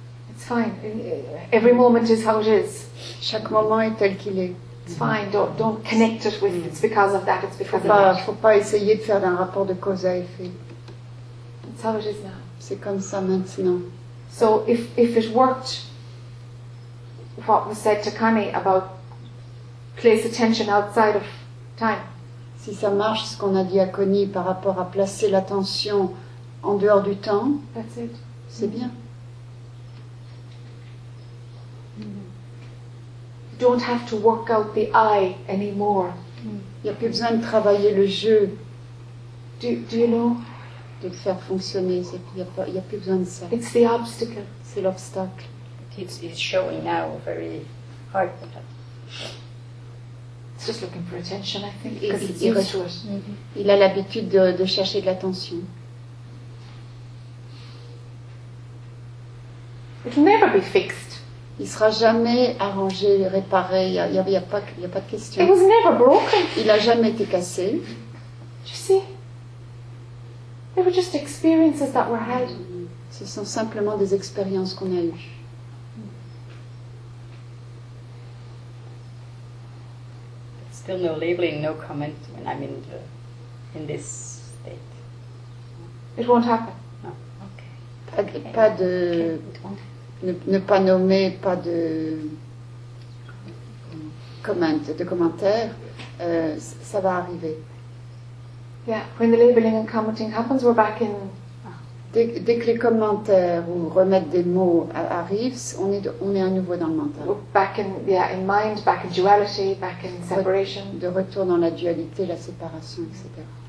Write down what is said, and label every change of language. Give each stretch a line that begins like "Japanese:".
English: It's fine. Every moment is how it is.
French: Chaque moment est tel qu'il est.
English: It's fine. Don't connect it with. It's because of that. It's because
French: faut pas,
English: of that.
French: Faut pas essayer de faire un rapport de cause à effet.
English: It's how it is now.
French: C'est comme ça maintenant.
English: So if it worked, what was said to Connie about place attention outside of time.
French: Si ça marche, ce qu'on a dit à Connie par rapport à placer l'attention en dehors du temps,
English: that's it.
French: C'est bien.
English: You don't have to work out the eye anymore.
French: Il n'y a plus besoin de travailler le jeu.
English: Do you know?
French: De le faire fonctionner, il n'y a plus besoin de ça.
English: It's the obstacle.
French: C'est l'obstacle.
English: It's showing now very hard. Just looking for attention, I think, because it's used to it.
French: Mm-hmm. Il a l'habitude de chercher de l'attention.
English: It will never be fixed.
French: Il sera jamais arrangé, réparé. Il y a pas de question.
English: It was never broken.
French: Il a jamais été cassé.
English: You see, they were just experiences that were had.
French: Ce sont simplement des expériences qu'on a eues.
English: Still no labeling, no comment when I'm in this state. It won't happen. No. Okay.
French: Pas de. Okay. Ne pas nommer, pas de. Comment, de commentaire. Ça va arriver.
English: Yeah, when the labeling and commenting happens, we're back in.
French: Dès que les commentaires ou remettre des mots arrivent, on est à nouveau dans le mental.
English: Back in, yeah, in mind, back in duality, back in separation.
French: De retour dans la dualité, la séparation, etc.